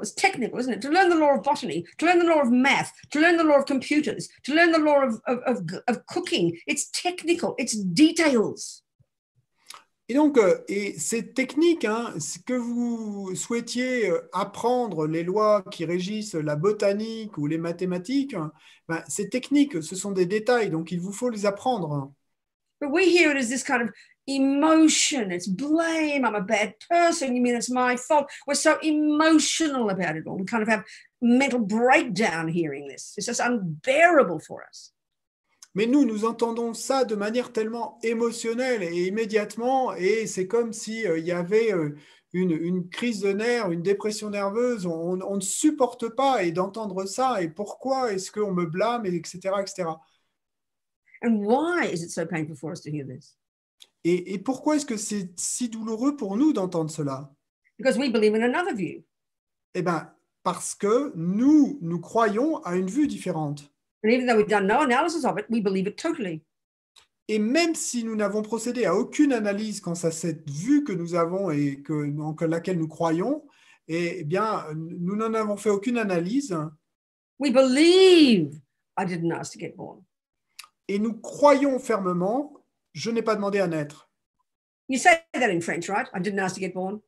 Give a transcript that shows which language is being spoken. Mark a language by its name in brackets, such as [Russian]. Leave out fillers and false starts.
[English] It's technical, isn't it? To learn the law of botany, to learn the law of math, to learn the law of computers, to learn the law of cooking. It's technical. It's details. [French] Et donc, et cette technique, hein, que vous souhaitiez apprendre les lois qui régissent la botanique ou les mathématiques, ben, ces techniques, ce sont des détails, donc il vous faut les apprendre. [English] But we hear it as this kind of emotion, it's blame, I'm a bad person, you mean it's my fault. We're so emotional about it all. We kind of have mental breakdown hearing this. It's just unbearable for us. [French] Mais nous entendons ça de manière tellement émotionnelle et immédiatement, et c'est comme si, y avait, une crise de nerfs, une dépression nerveuse. On ne supporte pas et d'entendre ça. Et pourquoi est-ce qu'on me blâme, etc., etc. [English] And why is it so painful for us to hear this? [French] Et pourquoi est-ce que c'est si douloureux pour nous d'entendre cela? [English] Because we believe in another view. [French] Eh bien, parce que nous croyons à une vue différente. [English] And even though we've done no analysis of it, we believe it totally. [French] Et même si nous n'avons procédé à aucune analyse quant à cette vue que nous avons et que laquelle nous croyons, eh bien, nous n'en avons fait aucune analyse. [English] We believe I didn't ask to get born. [French] Et nous croyons fermement, je n'ai pas demandé à naître. [English] You say that in French, right? I didn't ask to get born.